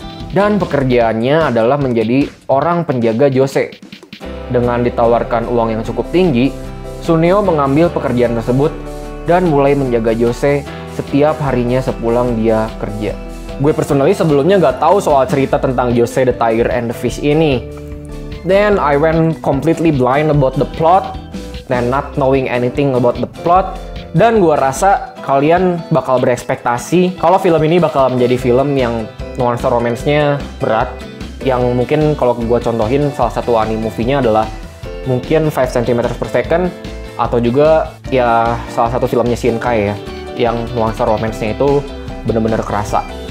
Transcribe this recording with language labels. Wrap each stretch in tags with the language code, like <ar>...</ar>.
<id>Dan pekerjaannya adalah menjadi orang penjaga Jose. Dengan ditawarkan uang yang cukup tinggi, Suneo mengambil pekerjaan tersebut dan mulai menjaga Jose setiap harinya sepulang dia kerja. Gue personally sebelumnya gak tahu soal cerita tentang Jose the Tiger and the Fish ini.</id> <en>Then I went completely blind about the plot and not knowing anything about the plot.</en> <id>Dan gue rasa kalian bakal berekspektasi kalau film ini bakal menjadi film yang nuansa romance-nya berat, yang mungkin kalau gue contohin salah satu anime movie-nya adalah mungkin 5 cm per second, atau juga ya salah satu filmnya Shinkai ya, yang nuansa romance-nya itu benar-benar kerasa.</id>